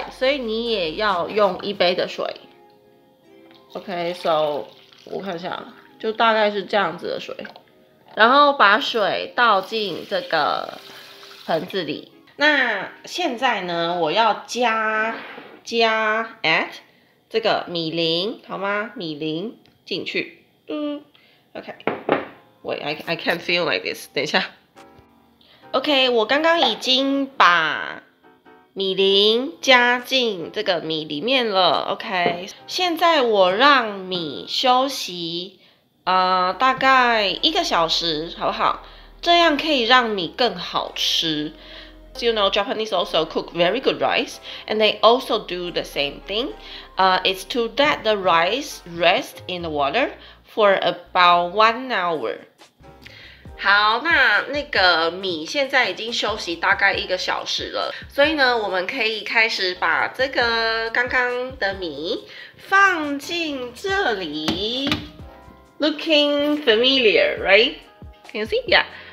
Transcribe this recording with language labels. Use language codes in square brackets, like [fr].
[zh] 所以你也要用一杯的水。Okay, so 我看一下，就大概是这样子的水。然后把水倒进这个盆子里。那现在呢，我要加 at 这个米淋，好吗？米淋进去， [en] Okay, wait, I can't feel like this. [zh] 等一下。 Okay, 我刚刚已经把米淋加进这个米里面了。 Okay, 现在我让米休息，大概一个小时，好不好？这样可以让米更好吃。 [en] You know, Japanese also cook very good rice, and they also do the same thing. It's to let the rice rest in the water. For about 1 hour. [zh] 好，那个米现在已经休息大概一个小时了，所以呢，我们可以开始把这个刚刚的米放进这里。 [en] Looking familiar, right? Can you see? Yeah.